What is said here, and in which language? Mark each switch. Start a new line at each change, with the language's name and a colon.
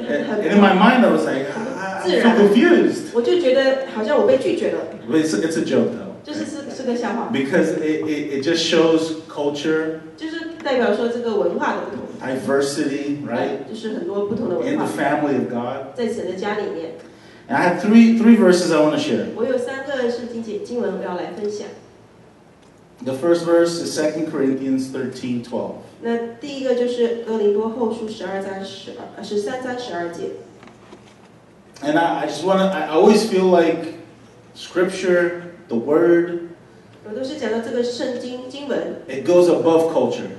English: And in my mind, I was like, I'm so confused.
Chinese: 我就觉得好像我被拒绝了。
English: It's a joke though.
Chinese: 就是是个笑话。
English: Because it just shows culture.
Chinese: 就是代表说这个文化的不同。
English: Diversity, right?
Chinese: 就是很多不同的文化。
English: In the family of God.
Chinese: 在神的家里面。
English: And I have three verses I want to share.
Chinese: 我有三个圣经经文要来分享。
English: The first verse is 2 Corinthians 13:12.
Chinese: 那第一个就是哥林多后书十二章十二十三章十二节。
English: And I just want to, I always feel like scripture, the word, it goes above culture.